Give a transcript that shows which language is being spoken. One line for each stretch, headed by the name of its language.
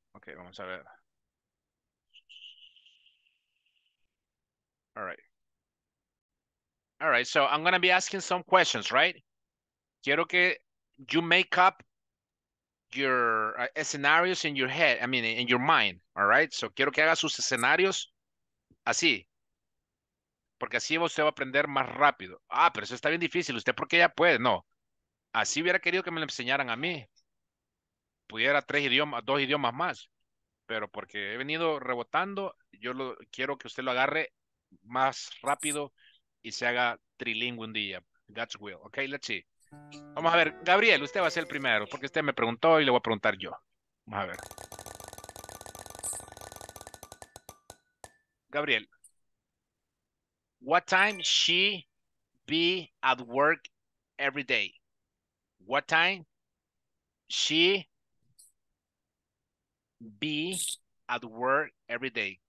Spanish: Okay, vamos a ver.
English: All right. All right, so I'm going to be asking some questions, right?
Spanish: Quiero que
English: you make up your scenarios in your head, I mean, in your mind, all right?
Spanish: So quiero que haga sus escenarios así, porque así usted va a aprender más rápido. Ah, pero eso está bien difícil. ¿Usted por qué ya puede? No. Así hubiera querido que me lo enseñaran a mí. Pudiera 2 idiomas más, pero porque he venido rebotando, yo lo quiero que usted lo agarre más rápido y se haga trilingüe un día.
English: God's will. Okay, let's see.
Spanish: Vamos a ver, Gabriel, usted va a ser el primero, porque usted me preguntó y le voy a preguntar yo. Vamos a ver.
English: Gabriel, what time she be at work every day? What time she be at work every day?